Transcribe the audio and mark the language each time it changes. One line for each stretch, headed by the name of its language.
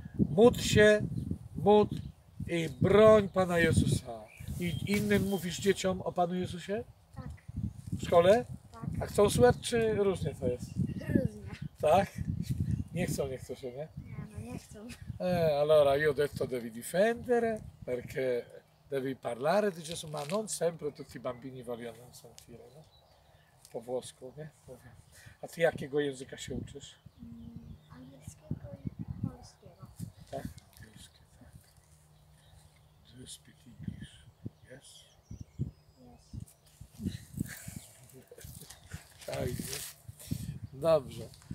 Polish: Módl się, módl i broń Pana Jezusa. I innym mówisz dzieciom o Panu Jezusie? Tak. W szkole? Tak. A chcą słuchać, czy różnie to jest? Różnie. Tak? Nie chcą, nie chcą się, nie? Nie, no nie. nie chcą.
Italian: Allora io ho detto devi difendere perché devi parlare di Gesù, ma non sempre tutti i bambini vogliono sentire, no?
Polish: Po włosku, nie? A ty jakiego języka się uczysz? Angielskiego i polskiego. Tak, angielskie, tak.
English: Do you speak English? Yes? Yes.
Polish: Fajnie. Dobrze.